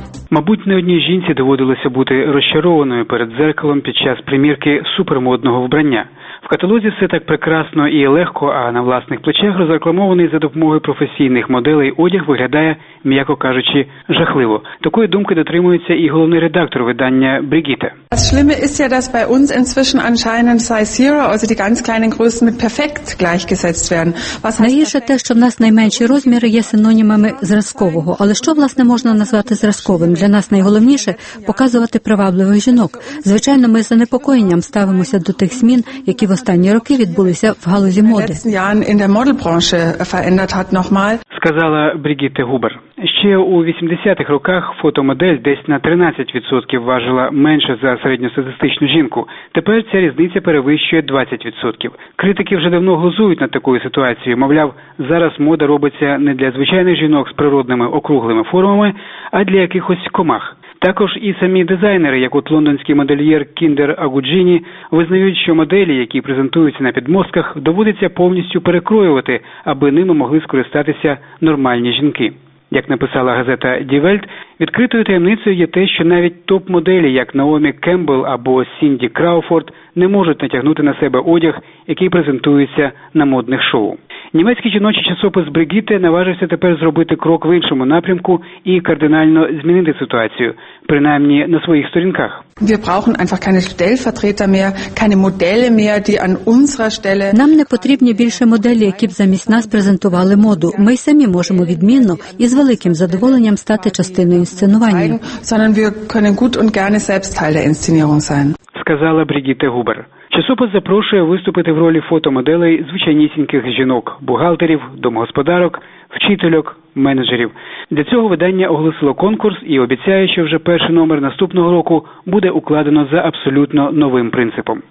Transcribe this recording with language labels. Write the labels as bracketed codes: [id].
[uk] Мабуть, не одній жінці доводилося бути розчарованою перед дзеркалом під час примірки супермодного вбрання. В каталозі все так прекрасно і легко, а на власних плечах розрекламований за допомогою професійних моделей одяг виглядає, м'яко кажучи, жахливо. Такої думки дотримується і головний редактор видання Брігітте. [de] Das Schlimme ist ja, dass bei uns inzwischen anscheinend Size Zero, also die ganz kleinen Größen mit perfekt gleichgesetzt werden. [uk] Найгірше те, що в нас найменші розміри є синонімами зразкового. Але що, власне, можна назвати зразковим? Для нас найголовніше – показувати привабливих жінок. Звичайно, ми з занепокоєнням ставимося до тих змін, які в останні роки відбулися в галузі моди. [de] In den letzten Jahren in der Modelbranche verändert hat nochmal. [uk] Сказала Брігітте Губер. Ще у 80-х роках фотомодель десь на 13% важила менше за середньостатистичну жінку. Тепер ця різниця перевищує 20%. Критики вже давно глузують над такою ситуацією. Мовляв, зараз мода робиться не для звичайних жінок з природними округлими формами, а для якихось комах. Також і самі дизайнери, як от лондонський модельєр Кіндер Агуджіні, визнають, що моделі, які презентуються на підмостках, доводиться повністю перекроювати, аби ними могли скористатися нормальні жінки. Як написала газета «Die Welt», відкритою таємницею є те, що навіть топ-моделі, як Наомі Кембл або Сінді Крауфорд, не можуть натягнути на себе одяг, який презентується на модних шоу. Німецький жіночий часопис «Брігітте» наважився тепер зробити крок в іншому напрямку і кардинально змінити ситуацію, принаймні на своїх сторінках. [de] Wir brauchen einfach keine Stellvertreter mehr, keine Modelle mehr, die an unserer Stelle. [uk] Нам не потрібні більше моделі, які б замість нас презентували моду. Ми самі можемо відмінно і з великим задоволенням стати частиною інсценування. [de] Sondern wir können gut und gerne selbst Teil der Inszenierung sein. [uk] Сказала Брігітте Губер. Часопис запрошує виступити в ролі фотомоделей звичайнісіньких жінок – бухгалтерів, домогосподарок, вчительок, менеджерів. Для цього видання оголосило конкурс і обіцяє, що вже перший номер наступного року буде укладено за абсолютно новим принципом.